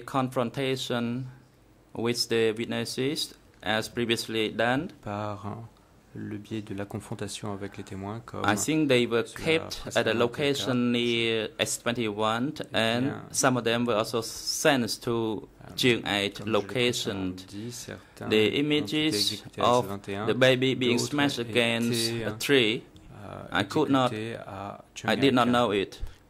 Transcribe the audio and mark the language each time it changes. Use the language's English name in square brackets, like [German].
[English] The confrontation with the witnesses, as previously done, [French] par le biais de la confrontation avec les témoins, comme [English] I think they were kept at a location near S21, et and bien, some of them were also sent to June 8 location. The images of the baby being smashed against a tree, I could not, I did not know it.